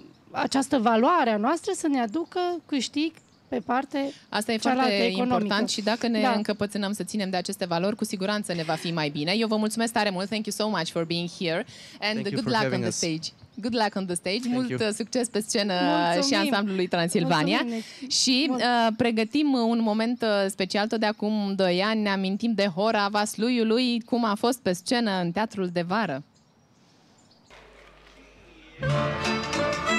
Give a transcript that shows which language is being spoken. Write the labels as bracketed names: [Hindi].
[Romanian] Această valoare a noastră să ne aducă câștig. Pe parte, asta e foarte important și dacă ne încăpățânăm să ținem de aceste valori, cu siguranță ne va fi mai bine. Eu vă mulțumesc tare mult. [English] Thank you so much for being here and good luck on the stage. [Romanian] Mult succes pe scenă. Mulțumim. Și ansamblului Transilvania. Mulțumim. Și pregătim un moment special. Tot de acum 2 ani ne amintim de Hora Vasluiului, cum a fost pe scenă în Teatrul de Vară. [English] Thank you.